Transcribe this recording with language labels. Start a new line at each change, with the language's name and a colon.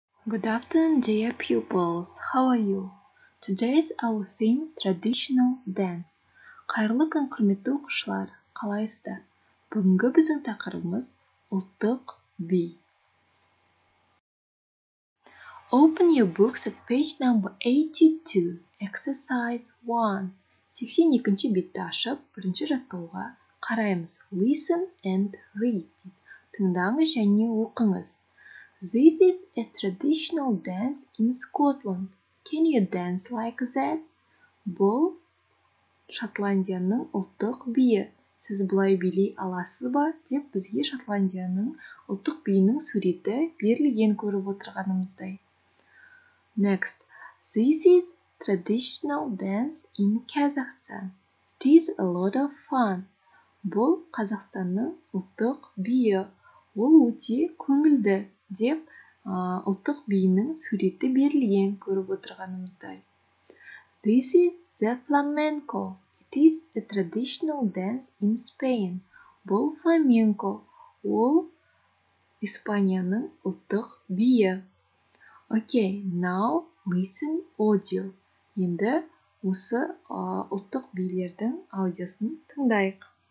English: Good afternoon, dear pupils. How are you? Today is our theme, traditional dance.
Kazakh: Қайырлы күн, құрметті оқушылар. Қалайсыздар? Бүгінгі біздің тақырыбымыз ұлттық би.
English: Open your books at page number 82, exercise 1.
Kazakh: 82-ші бетті ашып, бірінші жаттығуға қараймыз.
English: Listen and read.
Kazakh: Тыңдаңыз және оқыңыз.
English: This is a traditional dance in Scotland. Can you dance like that?
Kazakh: Бұл Шотландияның ұлттық биі. Сіз бұлай билей аласыз ба? Деп бізге Шотландияның ұлттық биінің суреті берілген көріп отырғанымыздай.
English: Next. This is traditional dance in Kazakhstan. It is a lot of fun.
Kazakh: Бұл Қазақстанның ұлттық биі. Ол өте көңілді. Деп, ұлттық биінің суреті берілген көріп отырғанымыздай.
English: This is the flamenco. It is a traditional dance in Spain.
Kazakh: Бұл flamenco. Ол Испанияның ұлттық биі.
English: Okay, now listen audio.
Kazakh: Енді осы ұлттық билердің аудиосын тыңдайық.